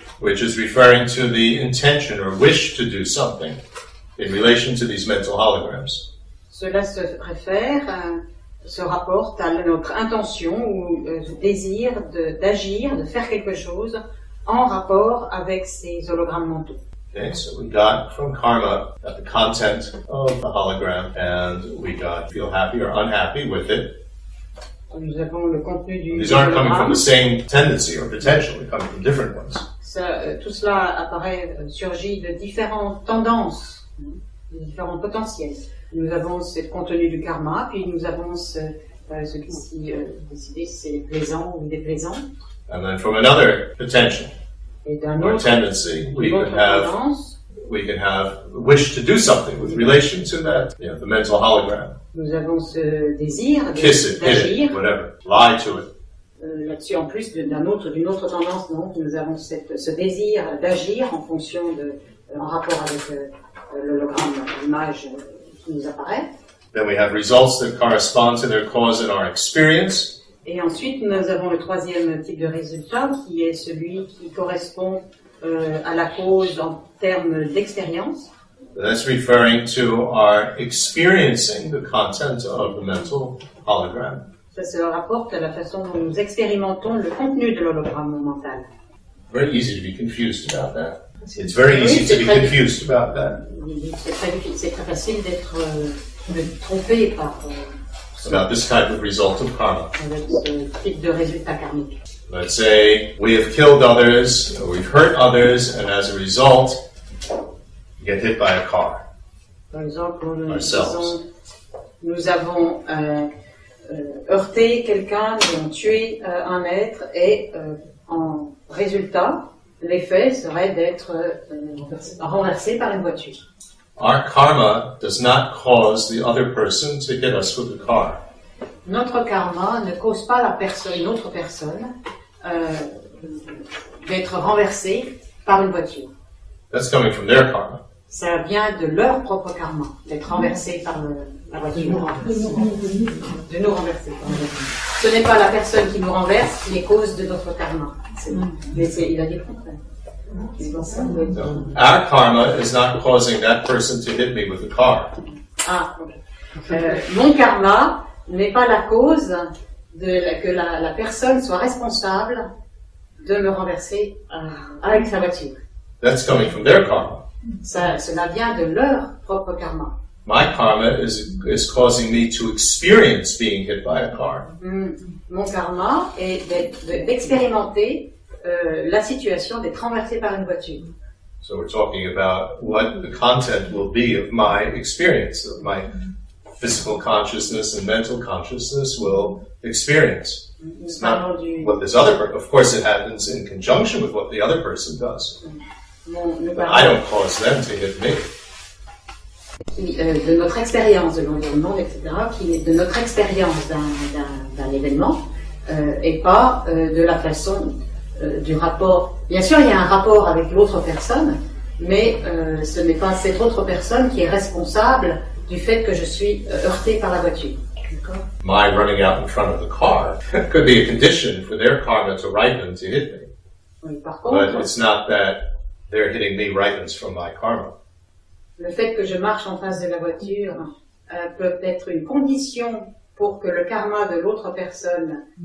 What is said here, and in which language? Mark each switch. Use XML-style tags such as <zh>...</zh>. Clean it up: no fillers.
<en>Which is referring to the intention or wish to do something in relation to these mental holograms.</en> <fr>Cela se réfère, se rapporte à notre intention ou désir d'agir, de faire quelque chose en rapport avec ces hologrammes mentaux.</fr> <en>Okay, so we got from karma that the content of the hologram and we got feel happy or unhappy with it.</en> <fr>Nous avons le contenu du</fr> <en>These aren't coming from the same tendency or potential, they're coming from different ones.</en> <fr>Ça, tout cela apparaît, surgit de différentes tendances, de différents potentiels. Nous avons ce contenu du karma, puis nous avons ce, ce qui s'est décidé, c'est plaisant ou déplaisant.</fr> <en>And then from another potential or tendency, we can have a wish to do something with relation to that, you know, the mental hologram.</en> <fr>Nous avons ce désir de,</fr> <en>Kiss it,</en> <fr>d'agir.</fr> <en>Hit it, whatever, lie to it.</en> <fr>Là-dessus, en plus d'une autre tendance, donc, nous avons cette, ce désir d'agir en fonction de, en rapport avec l'hologramme, l'image qui nous apparaît.</fr> <en>Then we have results that correspond to their cause in our experience.</en> <fr>Et ensuite, nous avons le troisième type de résultat, qui est celui qui correspond à la cause en termes d'expérience.</fr> <en>That's referring to our experiencing the content of the mental hologram.</en> <fr>Ça se rapporte à la façon dont nous expérimentons le contenu de l'hologramme mental.</fr> <en>Very easy to be confused about that. It's very easy to be confused about that.</en> <fr>C'est très facile d'être trompé par...</fr> <en>About this type of result of karma. Let's say we have killed others, or we've hurt others, and as a result, get hit by a car.</en> <fr>Par exemple, nous avons heurté quelqu'un, nous avons tué un être, et en résultat, l'effet serait d'être renversé par une voiture.</fr> <en>Our karma does not cause the other person to hit us with the car.</en> <fr>Notre karma ne cause pas la personne, une autre personne d'être renversée par une voiture.</fr> <en>That's coming from their karma.</en> <fr>Ça vient de leur propre karma, d'être renversé par la voiture. De nous renverser. Ce n'est pas la personne qui nous renverse qui est cause de notre karma. Il a dit le contraire.</fr> <en>Our karma is not causing that person to hit me with a car.</en> <fr>Mon karma n'est pas la cause de la, que la, la personne soit responsable de me renverser avec sa voiture.</fr> <en>That's coming from their karma.</en> <fr>Ça, cela vient de leur propre karma.</fr> <en>My karma is causing me to experience being hit by a car.</en> <fr>Mon karma est d'expérimenter la situation d'être renversé par une voiture.</fr> <en>So we're talking about what the content will be of my experience, of my physical consciousness and mental consciousness will experience. It's not what this other person... Of course, it happens in conjunction with what the other person does. But I don't cause them to hit me.</en> <fr>De notre expérience de l'environnement, etc., qui est de notre expérience d'un événement, et pas de la façon du rapport... Bien sûr, il y a un rapport avec l'autre personne, mais ce n'est pas cette autre personne qui est responsable du fait que je suis heurté par la voiture. D'accord?</fr> <en>My running out in front of the car could be a condition for their karma to ripen to hit me.</en> <fr>Oui, par contre,</fr> <en>but it's not that they're hitting me ripens from my karma.</en> <fr>Le fait que je marche en face de la voiture peut être une condition pour que le karma de l'autre personne...</fr>